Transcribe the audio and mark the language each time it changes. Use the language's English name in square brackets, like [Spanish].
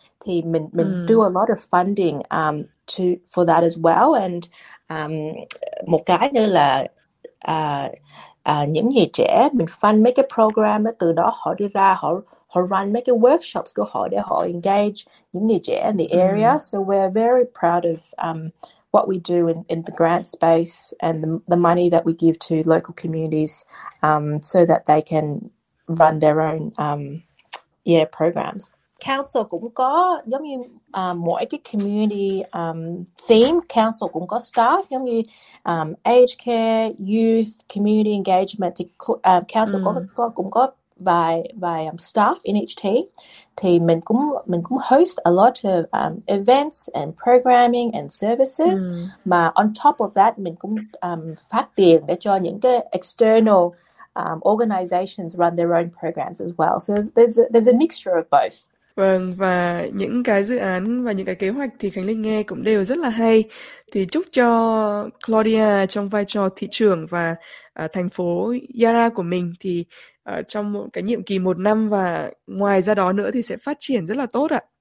[Vietnamese] Thì mình [English] do a lot of funding for that as well. And [Vietnamese] một cái nữa là những người trẻ mình fund mấy cái program ấy, từ đó họ đi ra họ họ run mấy cái workshops của họ để họ engage những người trẻ [English] in the area. So we're very proud of what we do in the grant space and the money that we give to local communities so that they can run their own programs. [Vietnamese] Council cũng có giống như mỗi cái [English] community theme, [Vietnamese] council cũng có staff giống như [English] aged care, youth, community engagement, [Vietnamese] thì council có cũng có vài vài staff [English] in each team. [Vietnamese] Thì mình cũng [English] host a lot of events and programming and services, mà on top of that [Vietnamese] mình cũng phát tiền để cho những cái [English] external organizations run their own programs as well. So there's a mixture of both. [Vietnamese] Vâng, và những cái dự án và những cái kế hoạch thì Khánh Linh nghe cũng đều rất là hay. Thì chúc cho Claudia trong vai trò thị trưởng và thành phố Yara của mình thì trong một cái nhiệm kỳ 1 năm và ngoài ra đó nữa thì sẽ phát triển rất là tốt ạ.